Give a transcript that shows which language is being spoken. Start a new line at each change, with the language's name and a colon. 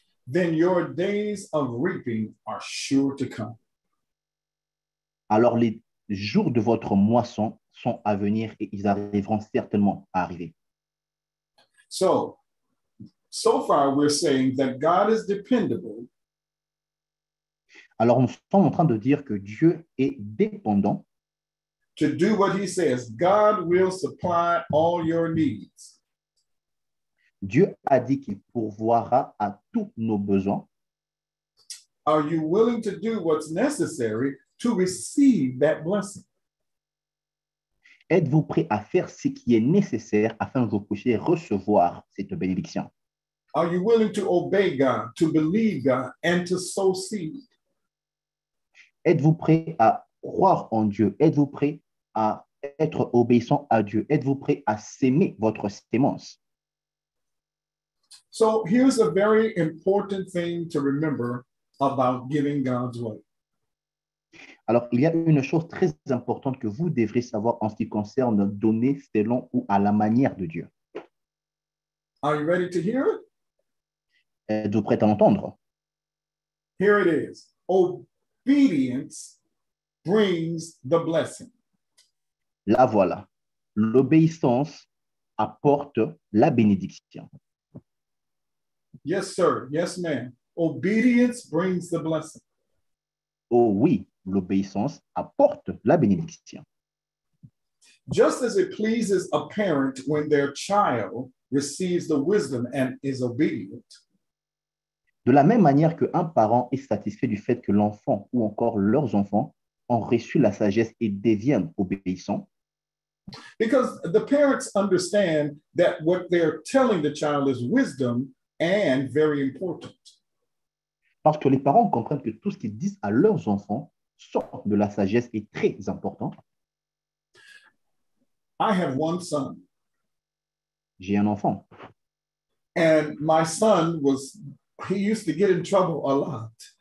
English: then your days of reaping are sure to come.
French: Alors, les jours de votre moisson sont à venir et ils arriveront certainement à arriver.
English: So far, we're saying that God is dependable.
French: Alors, nous sommes en train de dire que Dieu est dépendant.
English: To do what he says, God will supply all your needs.
French: Dieu a dit qu'il pourvoira à tous nos besoins.
English: Are you willing to do what's necessary to receive that blessing?
French: Êtes-vous prêt à faire ce qui est nécessaire afin que vous puissiez recevoir cette bénédiction?
English: Are you willing to obey God, to believe God, and to sow seed?
French: Êtes-vous prêt à croire en Dieu? Êtes-vous prêt à être obéissant à Dieu? Êtes-vous prêt à s'aimer votre semence?
English: So here's a very important thing to remember about giving God's way.
French: Alors, il y a une chose très importante que vous devrez savoir en ce qui concerne donner selon ou à la manière de Dieu.
English: Are you ready to hear it?
French: Êtes-vous prêt à entendre?
English: Here it is. Obedience brings the blessing.
French: La voilà. L'obéissance apporte la bénédiction.
English: Yes, sir. Yes, ma'am. Obedience brings the blessing.
French: Oh oui, l'obéissance apporte la bénédiction.
English: Just as it pleases a parent when their child receives the wisdom and is obedient.
French: De la même manière qu'un parent est satisfait du fait que l'enfant ou encore leurs enfants ont reçu la sagesse et deviennent obéissants.
English: Because the parents understand that what they're telling the child is wisdom and very important.
French: Parce que les parents comprennent que tout ce qu'ils disent à leurs enfants sort de la sagesse et très important.
English: I have one son.
French: J'ai un enfant.
English: And my son was... He used to get in trouble a lot.